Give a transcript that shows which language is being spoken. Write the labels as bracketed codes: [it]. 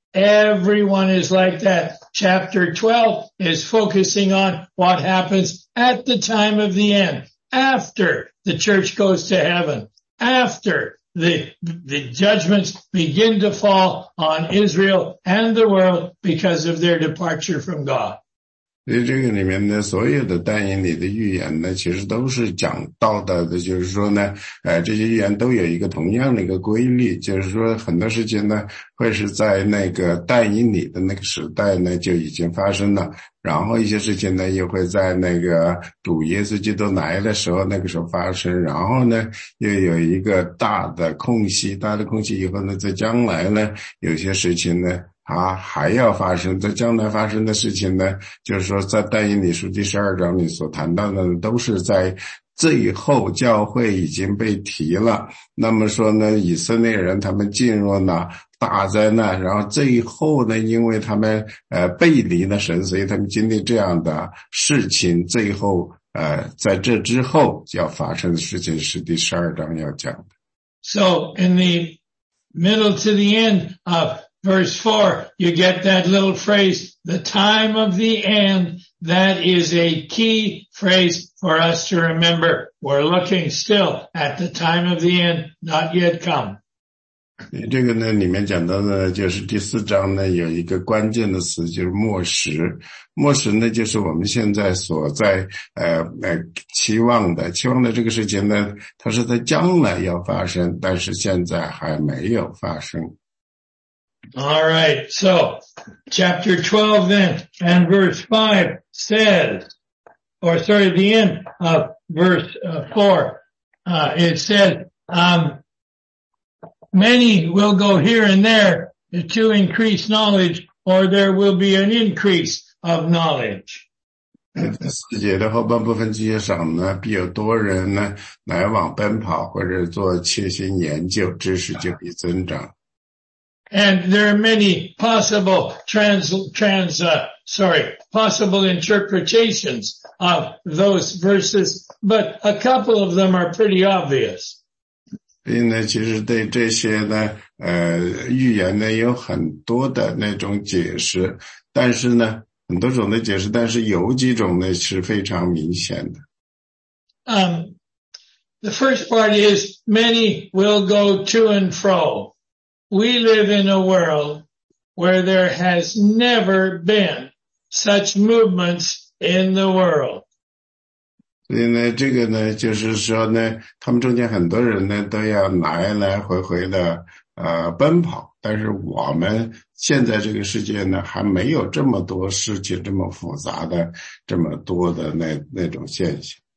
[en] Everyone is like that. Chapter 12 is focusing on what happens at the time of the end, after the church goes to heaven, after the judgments begin to fall on Israel and the world because of their departure from God. [zh] 所以这个里面呢，所有的但以理的预言呢，其实都是讲到的，就是说呢，这些预言都有一个同样的一个规律，就是说很多事情呢，会是在那个但以理的那个时代呢就已经发生了，然后一些事情呢又会在那个主耶稣基督来的时候那个时候发生，然后呢又有一个大的空隙，大的空隙以后呢，在将来呢，有些事情呢。啊，还要发生，在将来发生的事情呢，就是说在但以理书第十二章里所谈到的都是在最后教会已经被提了，那么说呢，以色列人他们进入了大灾难，然后最后呢，因为他们背离了神，所以他们经历这样的事情，最后在这之后要发生的事情是第十二章要讲的。 [en] So in the middle to the end ofVerse 4, you get that little phrase, the time of the end, that is a key phrase for us to remember. We're looking still at the time of the end, not yet come. [zh] 这个呢，里面讲到的就是第四章呢，有一个关键的词，就是末时。末时呢，就是我们现在所在期望的。期望的这个事情呢，它是在将来要发生，但是现在还没有发生。 [en] All right, so chapter 12 then and verse 5 says, or sorry, the end of verse 4, it said, many will go here and there to increase knowledge, or there will be an increase of knowledge. [zh] 四节的后半部分这些上呢，必有多人呢来往奔跑，或者做切心研究，知识就必增长。 [en] And there are many possible possible interpretations of those verses, but a couple of them are pretty obvious. [zh] 并呢，其实对这些呢，预言呢有很多的那种解释，但是呢，很多种的解释，但是有几种呢是非常明显的。 [en] The first part is many will go to and fro. We live in a world where there has never been such movements in the world. [zh] 所以呢，这个呢，就是说呢，他们中间很多人呢，都要来来回回的奔跑，但是我们现在这个世界呢，还没有这么多事情，这么复杂的，这么多的那种现象。